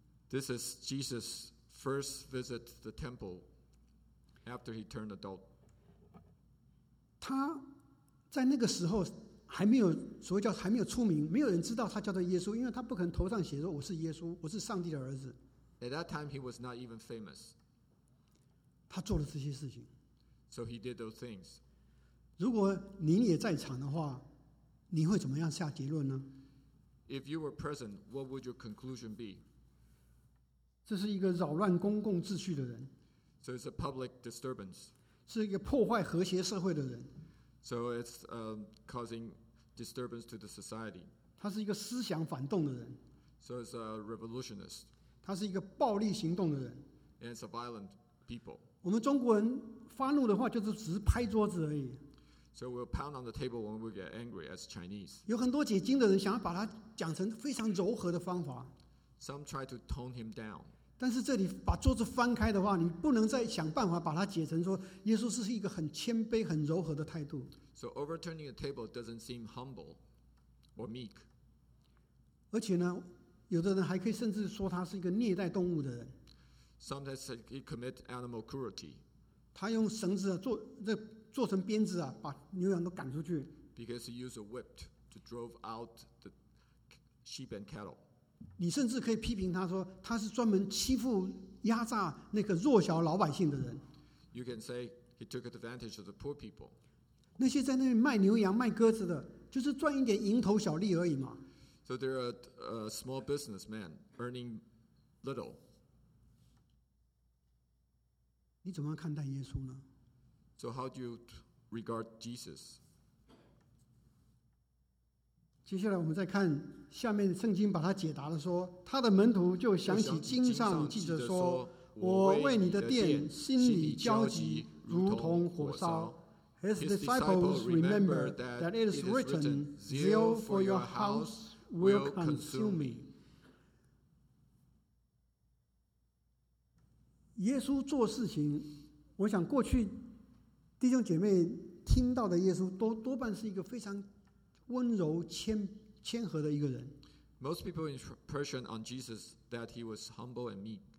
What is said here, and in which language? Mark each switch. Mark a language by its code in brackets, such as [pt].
[en] This is Jesus' first visit to the temple after he turned adult. [zh] 他在那个时候还没有所谓叫还没有出名，没有人知道他叫做耶稣，因为他不可能头上写说我是耶稣，我是上帝的儿子。 [en] At that time, he was not even famous. [zh] 他做了这些事情。 [en] So he did those things. [zh] 如果您也在场的话，你会怎么样下结论呢？ [en] If you were present, what would your conclusion be? [zh] 这是一个扰乱公共秩序的人。 [en] So it's a public disturbance. [zh] 是一个破坏和谐社会的人。 [en] So it's causing disturbance to the society. [zh] 他是一个思想反动的人。 [en] So it's a revolutionist. [zh] 他是一个暴力行动的人。 [en] And it's a violent people. [zh] 我们中国人发怒的话，就是只是拍桌子而已。 [en] So we'll pound on the table when we get angry as Chinese. [zh] 有很多解经的人想要把它讲成非常柔和的方法。 [en] Some try to tone him down. [zh] 但是这里把桌子翻开的话，你不能再想办法把它解成说耶稣是一个很谦卑、很柔和的态度。 [en] So overturning a table doesn't seem humble or meek. [zh] 而且呢，有的人还可以甚至说他是一个虐待动物的人。 [en] Sometimes he commit animal cruelty. [zh] 他用绳子做成鞭子啊，把牛羊都赶出去。 [en] Because he used a whip to drive out the sheep and cattle. [zh] 你甚至可以批评他说他是专门欺负压榨那个弱小老百姓的人。 [en] You can say he took advantage of the poor people. [zh] 那些在那边卖牛羊卖鸽子的，就是赚一点蝇头小利而已嘛。 [en] So they're a small businessman earning little. [zh] 你怎么看待耶稣呢？ [en] So how do you regard Jesus? [zh] 接下来我们再看下面圣经把它解答了，说他的门徒就想起经上记着说，我为你的殿心里焦急如同火烧。 [en] His disciples remember that it is written, zeal for your house will consume me。 [zh] 耶稣做事情，我想过去弟兄姐妹听到的耶稣都多半是一个非常温柔谦和的一个人。 [en] Most people impression on Jesus that he was humble and meek。